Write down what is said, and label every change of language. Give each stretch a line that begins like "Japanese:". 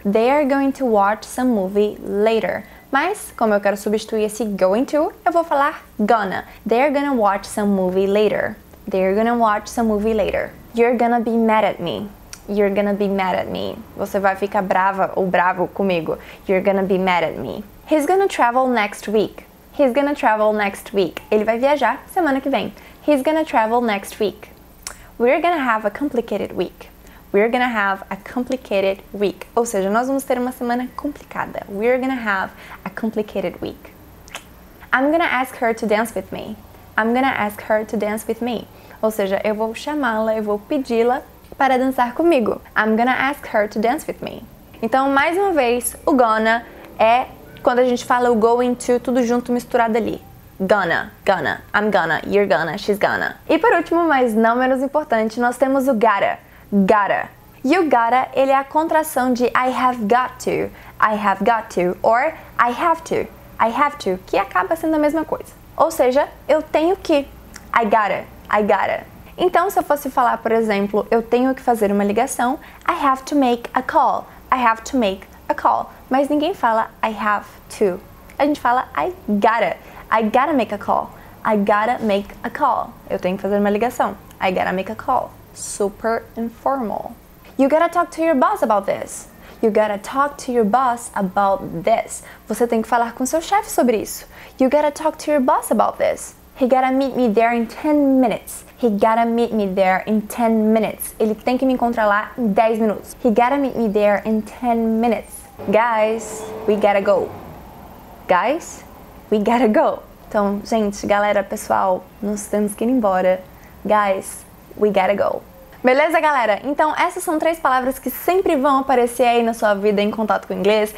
English: They are going to watch some movie later.
Portuguese: Mas, como eu quero substituir esse going to, eu vou falar gonna.
English: They are gonna watch some movie later. They are gonna watch some movie later. You're gonna be mad at me. You're gonna be mad at me.
Portuguese: Você vai ficar brava ou bravo comigo.
English: You're gonna be mad at me. He's gonna travel next week. He's gonna travel next week.
Portuguese: Ele vai viajar semana que vem.
English: He's gonna travel next week. We're gonna have a complicated week. We're gonna have a complicated week.
Portuguese: Ou seja, nós vamos ter uma semana complicada.
English: We're gonna have a complicated week. I'm gonna ask her to dance with me. I'm gonna ask her to dance with me.
Portuguese: Ou seja, eu vou chamá-la, eu vou pedi-la para dançar comigo.
English: I'm gonna ask her to dance with me.
Portuguese: Então, mais uma vez, o gonna é quando a gente fala o going to, tudo junto, misturado ali. Gonna, gonna, I'm gonna, you're gonna, she's gonna. E por último, mas não menos importante, nós temos o gotta, gotta. E o gotta, ele é a contração de
English: I have got to, or I have to,
Portuguese: que acaba sendo a mesma coisa. Ou seja, eu tenho que, I gotta, I gotta. Então, se eu fosse falar, por exemplo, eu tenho que fazer uma ligação,
English: I have to make a call,
Portuguese: I have to make a call. Mas ninguém fala
English: I have to.
Portuguese: A gente fala
English: I gotta make a call, I gotta make a call.
Portuguese: Eu tenho que fazer uma ligação,
English: I gotta make a call.
Portuguese: Super informal.
English: You gotta talk to your boss about this. You gotta talk to your boss about this.
Portuguese: Você tem que falar com seu chefe sobre isso.
English: You gotta talk to your boss about this. He gotta meet me there in 10 minutes. He gotta meet me there in 10 minutes.
Portuguese: Ele tem que me encontrar lá em 10 minutos.
English: He gotta meet me there in 10 minutes. Guys, we gotta go. Guys, we gotta go.
Portuguese: Então, gente, galera, pessoal, nós temos que ir embora.
English: Guys, we gotta go.
Portuguese: Beleza, galera? Então, essas são três palavras que sempre vão aparecer aí na sua vida em contato com o inglês.